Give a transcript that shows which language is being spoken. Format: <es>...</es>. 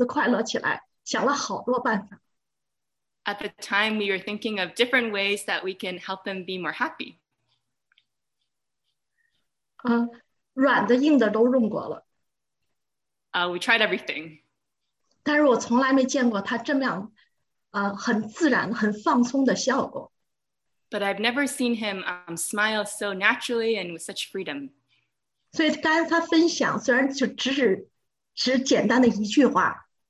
<zh>真的，当时我们想让他高兴，就是想让这个孩子快乐起来，想了好多办法。</zh> <en>At the time, we were thinking of different ways that we can help them be more happy.</en> <zh>软的硬的都用过了。</zh> <en>We tried everything.</en> <zh>但是我从来没见过他这么样, 很自然, 很放松的效果。</zh> <en>But I've never seen him smile so naturally and with such freedom.</en> <zh>所以刚才他分享, 虽然就只 简单的一句话,</zh>